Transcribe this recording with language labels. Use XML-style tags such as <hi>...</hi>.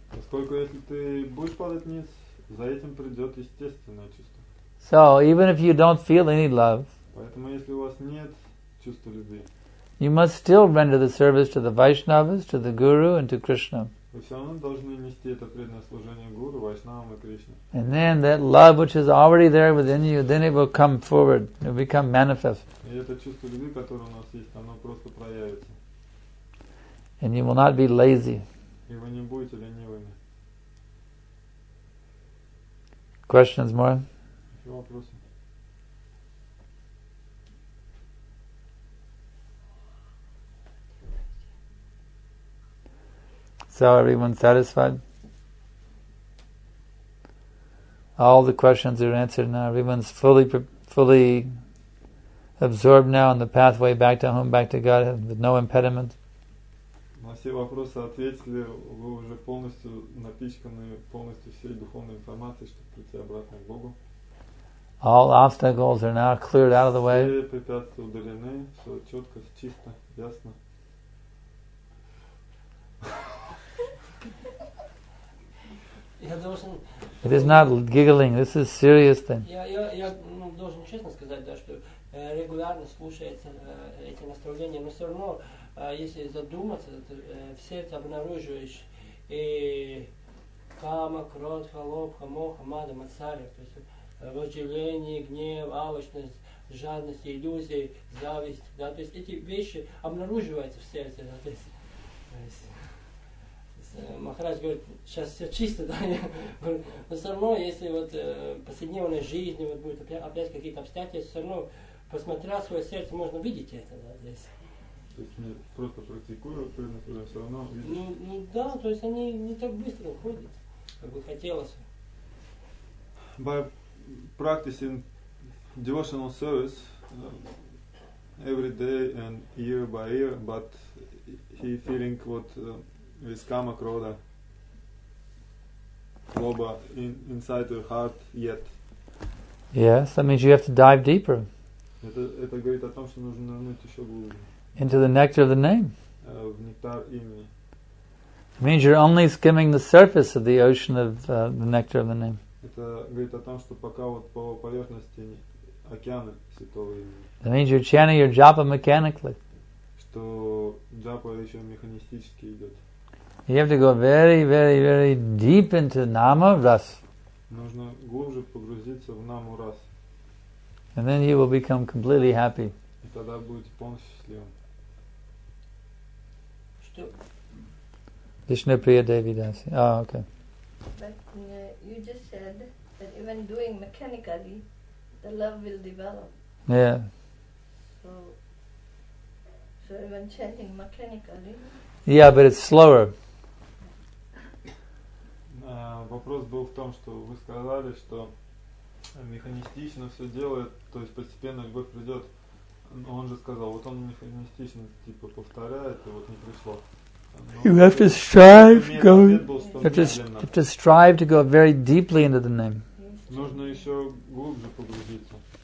<ru>Поскольку если ты будешь падать вниз, за этим придет естественное чувство.</ru> <en>So, even if you don't feel any love,</en> <ru>поэтому если у вас нет чувства любви,</ru> <en>you must still render the service to the Vaishnavas, to the Guru, and to Krishna.</en> <ru>Вы все равно должны нести это преданное служение Гуру, Вайшнавам и Кришне.</ru> <en>And then that love which is already there within you, then it will come forward, it will become manifest.</en> <ru>И это чувство любви, которое у нас есть, оно просто проявится.</ru> <en>And you will not be lazy.</en> <ru>И вы не будете ленивыми.</ru> <en>Questions more?</en> <ru>Еще вопросы?</ru> <en>So everyone satisfied? All the questions are answered now. Everyone's fully absorbed now in the pathway back to home, back to God, with no impediment?</en> <ru>На все вопросы ответили, вы уже полностью напичканы полностью всей духовной информацией, чтобы прийти обратно к Богу. All obstacles are now cleared out of the way. Все препятствия удалены, все четко, чисто, ясно.</ru> <en>It is not giggling, this is serious thing.</en> <ru>Я должен честно сказать, да, что регулярно слушается эти наставления, но все равно, если задуматься, то, в сердце обнаруживаешь и кама, кротха, лобха, моха, мада, мацаря, то есть вожделение, гнев, алчность, жадность, иллюзии, зависть, да, то есть эти вещи обнаруживаются в сердце, да, то есть, Махарадж говорит, сейчас все чисто, да, но все равно, если вот повседневной жизни вот будет опять какие-то обстоятельства, все равно, посмотря свое сердце, можно видеть это, да, здесь. То есть мне просто практикуют, при этом все равно видишь? Ну да, то есть они не так быстро уходят, как бы хотелось.</ru> <en>By practicing devotional service every day and year by year, but he feeling what with kama, krodha, loba inside your heart yet. Yes, that means you have to dive deeper.</en> <ru>Это говорит о том, что нужно нырнуть еще глубже.</ru> <en>Into the nectar of the name.</en> <ru>В нектар имени.</ru> <en>It means you're only skimming the surface of the ocean of the nectar of the name.</en> <ru>Это говорит о том, что пока вот по поверхности океана святого имени.</ru> <en>That means you're chanting your japa mechanically.</en> <ru>Что japa еще механистически идет.</ru> <en>You have to go very, very, very deep into nama ras.</en> <ru>Нужно глубже погрузиться в наму рас.</ru> <en>And then you will become completely happy.</en> <ru>И тогда будете полностью счастливым. Что?</ru> <en>Вишна Прия Деви Даси. Ah, okay. But you just said that even doing mechanically, the love will develop. Yeah. So even chanting mechanically. Yeah, but it's slower.</en> <ru>Вопрос был в том, что вы сказали, что механистично все делает, то есть постепенно любовь придет. Но он же сказал, вот он механистично типа повторяет, и вот не пришло.</ru> <en>You have to strive, go. You have to strive to go very deeply into the name.</en> <ru>Нужно еще глубже погрузиться.</ru>